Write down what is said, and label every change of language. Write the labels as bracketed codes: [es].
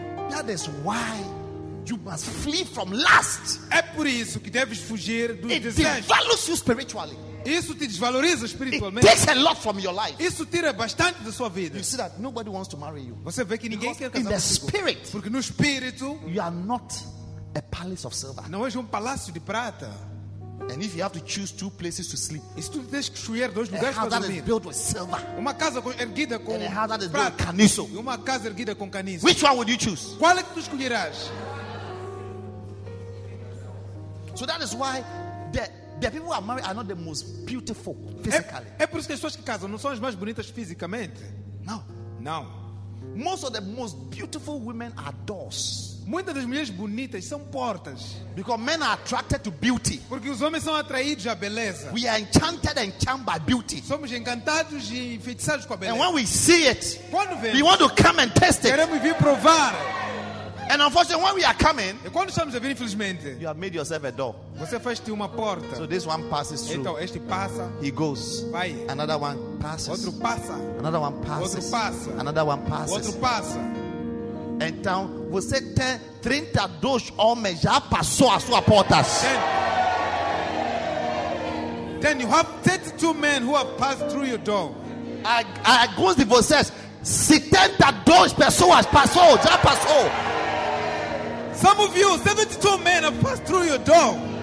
[en] That is why you must flee from lust. [pt] É por isso que deves fugir do desejo. [en] It devalues you spiritually. [pt] Isso te desvaloriza espiritualmente. [en] It takes a lot from your life. [pt] Isso tira bastante da sua vida. [en] You see that nobody wants to marry you. [pt] Você vê que ninguém [en] because [pt] quer casar [en] in the spirit, [pt] porque no espírito, [en] you are not a palace of silver. [pt] Não és palácio de prata. [en] And if you have to choose two places to sleep, [pt] e se tu tens que escolher dois lugares para dormir, [en] built with silver, [pt] uma casa erguida com prata, caniço, e uma casa erguida com caniço, [en] which one would you choose? [pt] Qual é que tu escolherás? [en] So that is why the people who are married are not the most beautiful physically. [pt] É por isso que as pessoas que casam não são as mais bonitas fisicamente. Não. Não. [en] Most of the most beautiful women are doors. [pt] Muitas das mulheres bonitas são portas. [en] Because men are attracted to beauty. [pt] Porque os homens são atraídos à beleza. [en] We are enchanted and charmed by beauty. [pt] Somos encantados e enfeitiçados com a beleza. [en] And when we see it, [pt] quando vemos, [en] we want to come and test it. [pt] Queremos vir provar. [en] And unfortunately, when we are coming, [pt] e quando estamos a vir, infelizmente, [en] you have made yourself a door. [pt] Você fez-te uma porta. [en] So this one passes through. [pt] Então este passa. [en] He goes. [pt] Vai. [en] Another one passes. [pt] Outro passa. [en] Another one passes. [pt] Outro passa. [en] Another one passes. [pt] Outro passa. Então você tem 32 homens já passou a sua porta. [en] Then you have 32 men who have passed through your door. [pt] Alguns de vocês, 72 pessoas passou, já passou. [en] Some of you, 72 men have passed through your door.